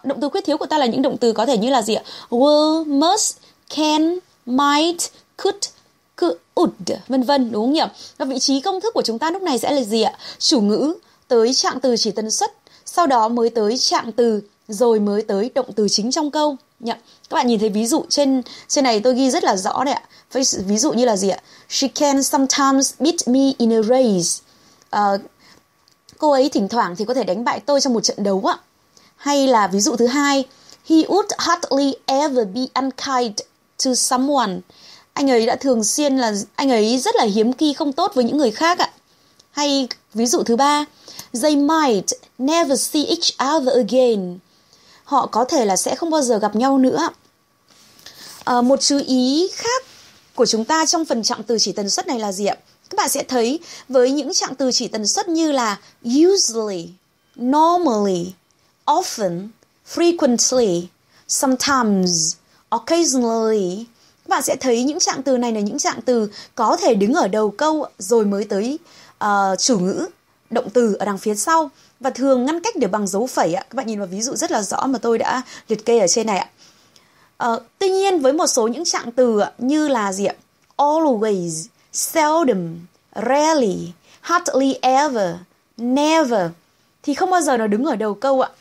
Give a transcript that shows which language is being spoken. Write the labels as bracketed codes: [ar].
[vi] Động từ khuyết thiếu của ta là những động từ có thể như là gì ạ? Will, must, can, might, could, would, vân vân, đúng không nhỉ? Và vị trí công thức của chúng ta lúc này sẽ là gì ạ? Chủ ngữ tới trạng từ chỉ tần suất. Sau đó mới tới trạng từ, rồi mới tới động từ chính trong câu. Yeah. Các bạn nhìn thấy ví dụ trên này tôi ghi rất là rõ đấy ạ. Ví dụ như là gì ạ? [en] She can sometimes beat me in a race. [vi] Cô ấy thỉnh thoảng thì có thể đánh bại tôi trong một trận đấu ạ. Hay là ví dụ thứ hai, [en] he would hardly ever be unkind to someone. [vi] Anh ấy rất là hiếm khi không tốt với những người khác ạ. Hay ví dụ thứ ba, [en] they might never see each other again. [vi] Họ có thể là sẽ không bao giờ gặp nhau nữa. Một chú ý khác của chúng ta trong phần trạng từ chỉ tần suất này là gì ạ? Các bạn sẽ thấy với những trạng từ chỉ tần suất như là usually, normally, often, [en] frequently, sometimes, occasionally. [vi] Các bạn sẽ thấy những trạng từ này là những trạng từ có thể đứng ở đầu câu rồi mới tới chủ ngữ, động từ ở đằng phía sau. Và thường ngăn cách được bằng dấu phẩy. Các bạn nhìn vào ví dụ rất là rõ mà tôi đã liệt kê ở trên này. Tuy nhiên với một số những trạng từ như là gì ạ? Always, seldom, rarely, hardly ever, never thì không bao giờ nó đứng ở đầu câu ạ.